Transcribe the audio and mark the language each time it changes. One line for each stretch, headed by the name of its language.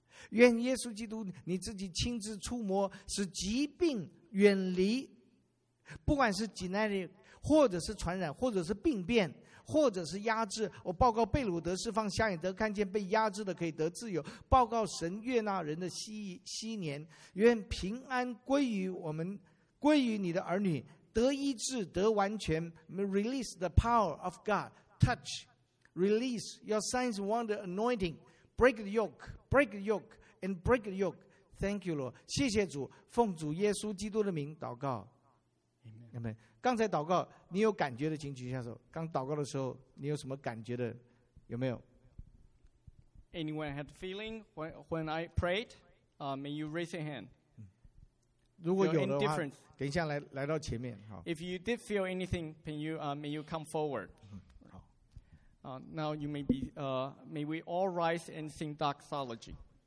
Chinese: 愿耶稣基督你自己亲自触摸，使疾病远离，不管是几耐力或者是传染，或者是病变，或者是压制。我报告被掳得释放，瞎眼得看见，被压制的可以得自由。报告神悦纳人的禧年，愿平安归于我们，归于你的儿女，得医治，得完全。
English: Release the power of God, touch, release your signs, wonder, anointing, break the yoke, and break the yoke. Thank you, Lord.
Chinese: 谢谢主，奉主耶稣基督的名祷告。
English: Amen. Amen.
Chinese: 刚才祷告你有感觉的请举下手，刚祷告的时候你有什么感觉的，有没有？
English: Anyone had feeling when I prayed? May you raise your hand. If you did feel anything, may you come forward. Now you may be, may we all rise and sing doxology.